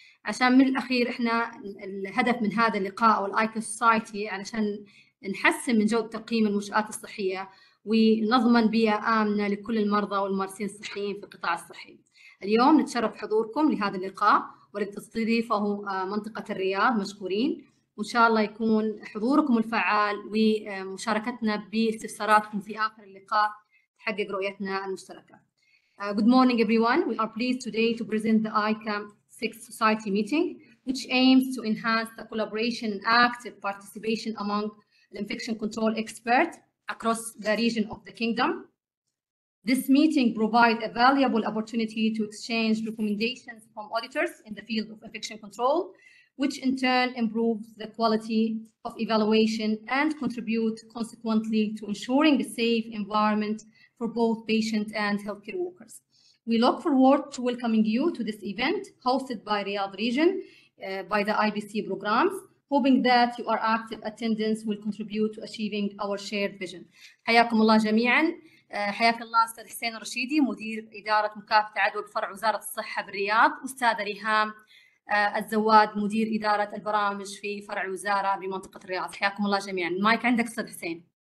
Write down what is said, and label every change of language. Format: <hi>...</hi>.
<ar>عشان من الأخير إحنا الهدف من هذا اللقاء والآيكو سوسايتي علشان نحسن من جودة تقييم المنشآت الصحية ونضمن بيئة آمنة لكل المرضى والممارسين الصحيين في القطاع الصحي. اليوم نتشرف حضوركم لهذا اللقاء، والذي تستضيفه منطقة الرياض مشكورين، وإن شاء الله يكون حضوركم الفعال ومشاركتنا باستفساراتكم في آخر اللقاء تحقق رؤيتنا المشتركة.</ar> <en>Good morning everyone. We are pleased today to present the ICA Sixth Society Meeting, which aims to enhance the collaboration and active participation among the infection control experts across the region of the kingdom. This meeting provides a valuable opportunity to exchange recommendations from auditors in the field of infection control, which in turn improves the quality of evaluation and contributes consequently to ensuring a safe environment for both patients and healthcare workers. We look forward to welcoming you to this event hosted by Riyadh Region by the IBC programs, hoping that your active attendance will contribute to achieving our shared vision.</en> <ar>حياكم الله جميعا. حياك الله أستاذ حسين الرشيدي، مدير إدارة مكافحة العدوى بفرع وزارة الصحة بالرياض، أستاذ ريهام الزواد، مدير إدارة البرامج في فرع وزارة بمنطقة الرياض. حياكم الله جميعا. المايك عندك أستاذ حسين.</ar>